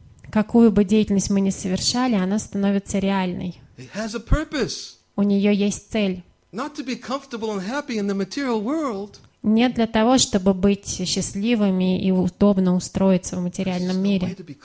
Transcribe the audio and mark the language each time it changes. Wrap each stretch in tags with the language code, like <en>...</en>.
<ru>Какую бы деятельность мы ни совершали, она становится реальной.</ru> <en>It has a purpose.</en> <ru>У нее есть цель.</ru> <en>Not to be comfortable and happy in the material world.</en> <ru>Не для того, чтобы быть счастливыми и удобно устроиться в материальном мире.</ru>